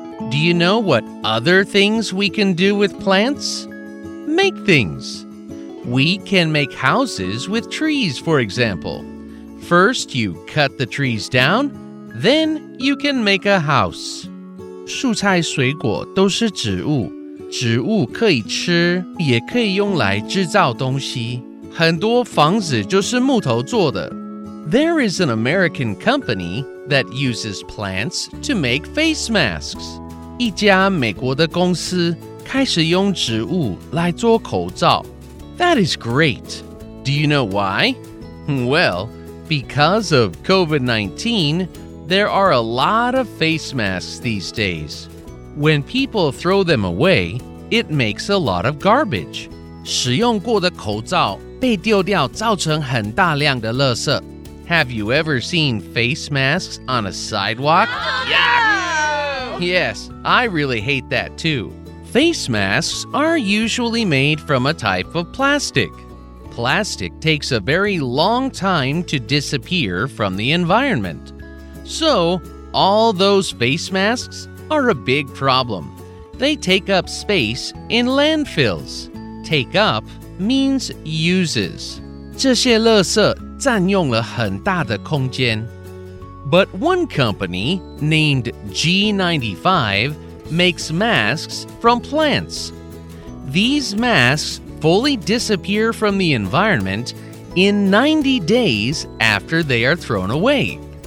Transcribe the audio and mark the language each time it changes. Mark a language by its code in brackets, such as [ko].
[en] Do you know what other things we can do with plants? Make things. We can make houses with trees, for example. First you cut the trees down, then you can make a house. [zh] 蔬菜水果都是植物。植物可以吃，也可以用来制造东西。很多房子就是木头做的。 [en] There is an American company that uses plants to make face masks. [zh] 一家美国的公司开始用植物来做口罩。 [en] That is great. Do you know why? Well, because of COVID-19, there are a lot of face masks these days. When people throw them away, it makes a lot of garbage. [zh] 使用过的口罩被丢掉造成很大量的垃圾。 [en] Have you ever seen face masks on a sidewalk? Yes, I really hate that too. Face masks are usually made from a type of plastic. Plastic takes a very long time to disappear from the environment. So, all those face masks... are a big problem. They take up space in landfills. Take up means uses. [zh] 这些垃圾占用了很大的空间。 [en] But one company named G95 makes masks from plants. These masks fully disappear from the environment in 90 days after they are thrown away.